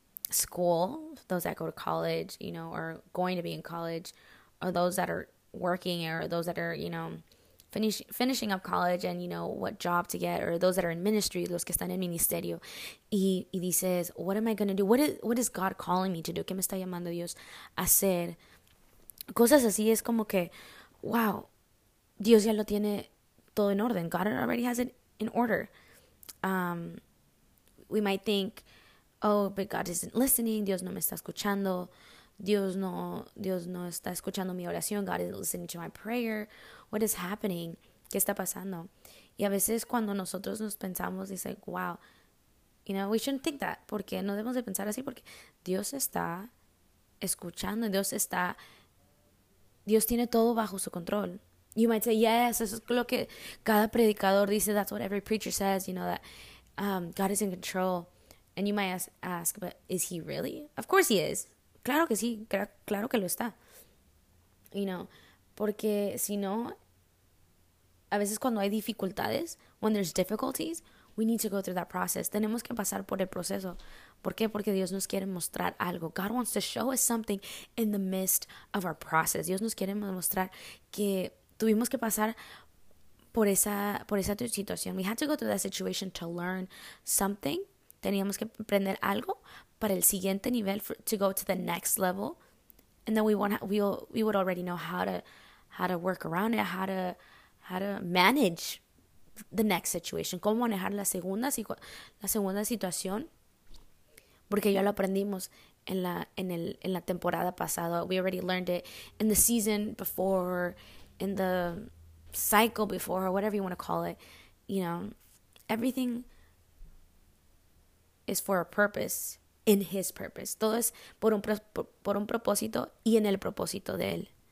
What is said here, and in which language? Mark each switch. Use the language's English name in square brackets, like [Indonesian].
[English] school, those that go to college, you know, or going to be in college, or those that are working, or those that are, you know, finishing up college and, you know, what job to get, or those that are in ministry, [Spanish] los que están en ministerio, y dices, [English] what am I going to do? What is God calling me to do? [Spanish] ¿Qué me está llamando Dios a hacer? Cosas así es como que, wow, Dios ya lo tiene todo en orden. [English] God already has it in order. We might think, oh, but God isn't listening. [Spanish] Dios no me está escuchando. Dios no está escuchando mi oración. [English] God isn't listening to my prayer. What is happening? [Spanish] ¿Qué está pasando? Y a veces cuando nosotros nos pensamos, [English] it's like, wow, you know, we shouldn't think that. [Spanish] ¿Por qué no debemos de pensar así? Porque Dios está escuchando. Dios tiene todo bajo su control. [English] You might say, yes, [Spanish] eso es lo que cada predicador dice. [English] That's what every preacher says, you know, that God is in control. And you might ask, but is he really? Of course he is. [Spanish] Claro que sí. Claro que lo está. [English] You know, [Spanish] porque si no, a veces cuando hay dificultades, [English] when there's difficulties, we need to go through that process. [Spanish] Tenemos que pasar por el proceso. ¿Por qué? Porque Dios nos quiere mostrar algo. [English] God wants to show us something in the midst of our process. [Spanish] Dios nos quiere mostrar que tuvimos que pasar por esa situación. [English] We had to go through that situation to learn something. [Spanish] Teníamos que aprender algo para el siguiente nivel, [English] to go to the next level. And then we would already know how to work around it, how to manage the next situation. [Spanish] ¿Cómo manejar la segunda situación? Porque ya lo aprendimos en la temporada pasada. [English] We already learned it in the season before, in the cycle before, or whatever you want to call it. You know, everything is for a purpose, in his purpose. [Spanish] Todo es por un propósito y en el propósito de él.